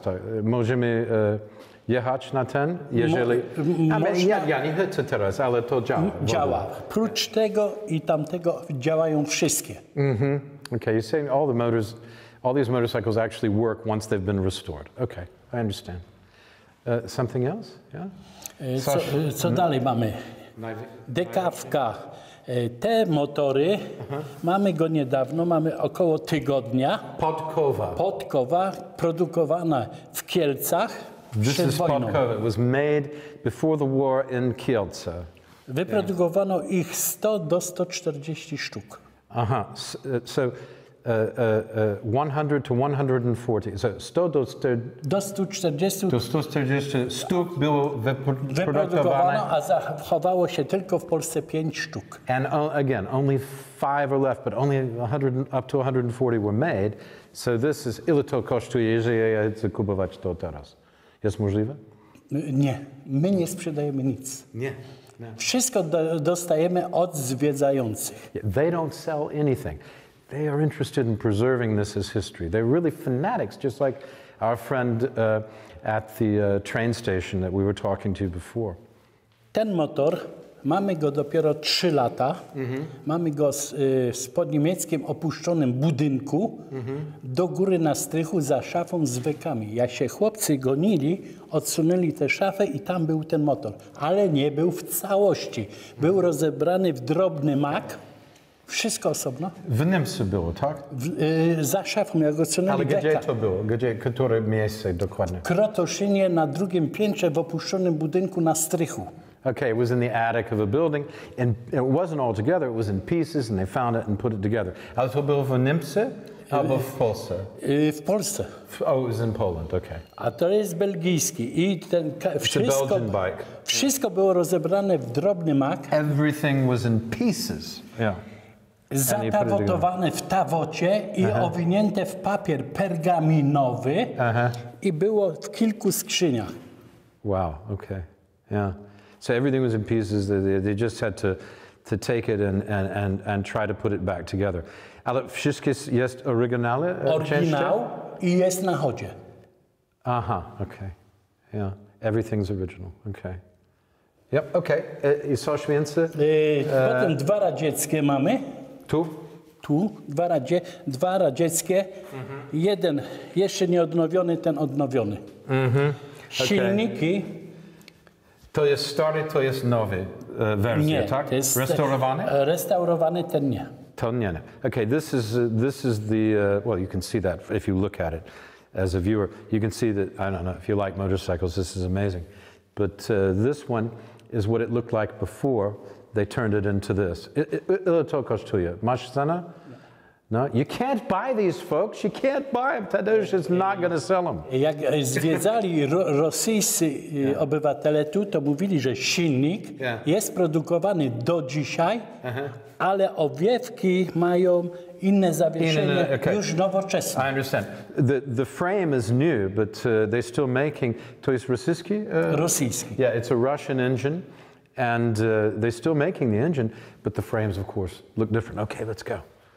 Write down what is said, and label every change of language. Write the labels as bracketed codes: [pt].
[pl] To możemy jechać na ten, jeżeli. Ja nie chcę teraz, ale to działa. Działa. Prócz tego i tamtego działają wszystkie. Mm-hmm. [en] Okay, you're saying all the motors, all these motorcycles actually work once they've been restored. Okay, I understand. Something else? Yeah. [pl] Co dalej mamy? Dekawka. Te motory mamy go niedawno, mamy około tygodnia. Podkowa produkowana w Kielcach [en] This [pl] przed [en] is [pl] wojną. Podkowa. [en] It was made before the war in Kielce. [pl] Wyprodukowano ich 100 do 140 sztuk. [en] Aha. So 100 to 140. So 100 do 140. [pl] Do 140 sztuk było wyprodukowano, a zachowało się tylko w Polsce 5 sztuk. [en] And again, only 5 are left, but only 100 up to 140 were made. So this is [pl] ile to kosztuje, jeżeli ja chcę kupować to teraz. Jest możliwe? Nie. My nie sprzedajemy nic. Nie. Wszystko dostajemy od zwiedzających. [en] They don't sell anything. They are interested in preserving this as history. They're really fanatics, just like our friend at the train station that we were talking to before. [pl] Ten motor, mamy go dopiero 3 lata. Mamy go w podniemieckim opuszczonym budynku, do góry na strychu za szafą z wykami. Jak się chłopcy gonili, odsunęli tę szafę i tam był ten motor. Ale nie był w całości. Był rozebrany w drobny mak. Wszystko osobno. W Niemcy było, tak? Za szafą, jak odsunęli deka. Ale gdzie to było? Które miejsce dokładnie? W Krotoszynie na drugim piętrze w opuszczonym budynku na strychu. [en] Okay, it was in the attic of a building. And it wasn't all together, it was in pieces and they found it and put it together. [pl] Ale to było w Niemcy albo w Polsce? W Polsce. [en] Oh, it was in Poland, okay. [pl] A to jest belgijski i ten wszystko... [en] It's a Belgian bike. [pl] Wszystko było rozebrane w drobny mak. [en] Everything was in pieces, yeah. [pl] Zatawotowane w tawocie i owinięte w papier pergaminowy i było w kilku skrzyniach. [en] Wow, okay. Yeah. So everything was in pieces. They just had to take it and try to put it back together. Ale wszystkie jest oryginalne? Oryginał i jest na chodzie. Aha, okay. Yeah. Everything's original. Okay. Yep, okay. [pl] I coś więcej? Potem dwa radzieckie mamy. Tu? Dwa radzieckie. Jeden jeszcze nieodnowiony, ten odnowiony. Silniki. [en] Okay. [pl] To jest stary, to jest nowy wersja, tak? To jest restaurowany? Restaurowany, ten nie. To nie. [en] Okay, this is the, well, you can see that if you look at it as a viewer. You can see that, I don't know, if you like motorcycles, this is amazing. But this one is what it looked like before. They turned it into this. [pl] Ile to kosztuje? Masz cenę? [en] No, you can't buy these folks. You can't buy them. Tadeusz is not going to sell them. [pl] Jak zwiedzali rosyjscy obywatele tu, to mówili, że silnik jest produkowany do dzisiaj, ale owiewki mają inne zawieszenie, już nowoczesne. [en] I understand. The frame is new, but they're still making... [pl] To jest rosyjski? Rosyjski. [en] Yeah, it's a Russian engine. And they're still making the engine, but the frames, of course, look different. Okay, let's go.